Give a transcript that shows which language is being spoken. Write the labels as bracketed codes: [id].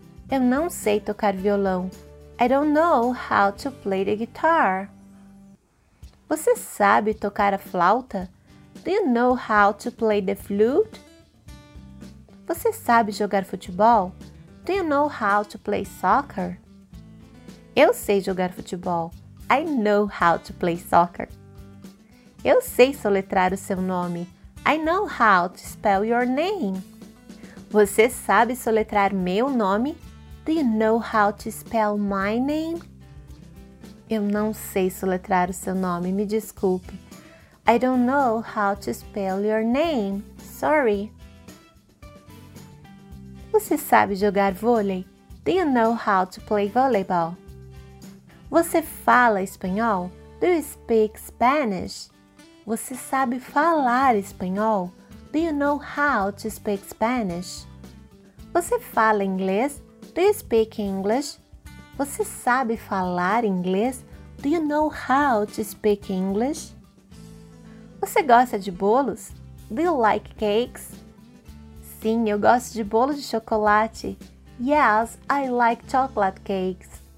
[pt] Eu não sei tocar violão. [en] I don't know how to play the guitar. [pt] Você sabe tocar a flauta? [en] Do you know how to play the flute? [pt] Você sabe jogar futebol? [en] Do you know how to play soccer? [pt] Eu sei jogar futebol. [en] I know how to play soccer. [pt] Eu sei soletrar o seu nome. [en] I know how to spell your name. [pt] Você sabe soletrar meu nome? [en] Do you know how to spell my name? [pt] Eu não sei soletrar o seu nome, me desculpe. [en] I don't know how to spell your name. Sorry. [pt] Você sabe jogar vôlei? [en] Do you know how to play volleyball? [pt] Você fala espanhol? [en] Do you speak Spanish? [pt] Você sabe falar espanhol? [en] Do you know how to speak Spanish? [pt] Você fala inglês? [en] Do you speak English? [pt] Você sabe falar inglês? [en] Do you know how to speak English? [pt] Você gosta de bolos? [en] Do you like cakes? [pt] Sim, eu gosto de bolos de chocolate. [en] Yes, I like chocolate cakes.